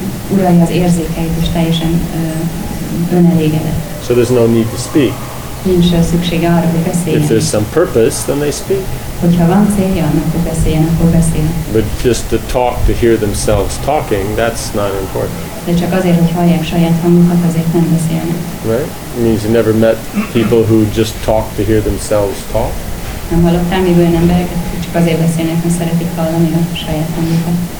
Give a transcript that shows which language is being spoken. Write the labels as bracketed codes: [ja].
[hu] Urai az érzékeit, és teljesen önelégedett. [en] So there's no need to speak. [hu] Nincs szüksége arra, hogy beszéljen. [en] If there's some purpose, then they speak. [hu] Hogyha van célja, akkor beszéljen, akkor beszéljen. [en] But just to talk, to hear themselves talking, that's not important. [hu] De csak azért, hogy hallják saját hangukat, azért nem beszélnek. [en] Right? It means you never met people who just talk to hear themselves talk. [hu] Nem hallottál még olyan embereket, hogy csak azért beszélnek, mert szeretik hallani a saját hangukat.